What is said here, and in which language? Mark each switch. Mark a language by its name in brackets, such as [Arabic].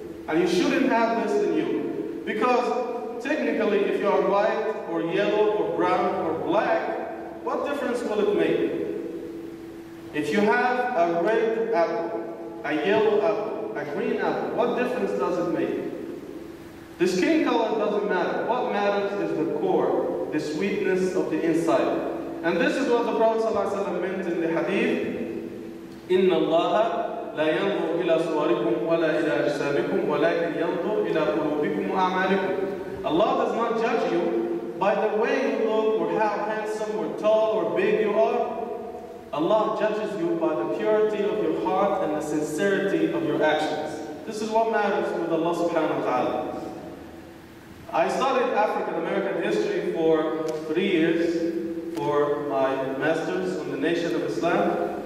[English] And you shouldn't have this in you. Because technically, if you are white or yellow or brown or black, what difference will it make? If you have a red apple, a yellow apple, a green apple, what difference does it make? The skin color doesn't matter. What matters is the core, the sweetness of the inside." And this is what the Prophet ﷺ meant in the hadith: [Arabic] "Inna Allaha لا ينظر إلى صوركم ولا إلى أجسامكم ولكن ينظر إلى قلوبكم وأعمالكم." [English] Allah does not judge you by the way you look or how handsome or tall or big you are. Allah judges you by the purity of your heart and the sincerity of your actions. This is what matters with Allah subhanahu wa ta'ala. I studied African American history for 3 years for my master's on the Nation of Islam.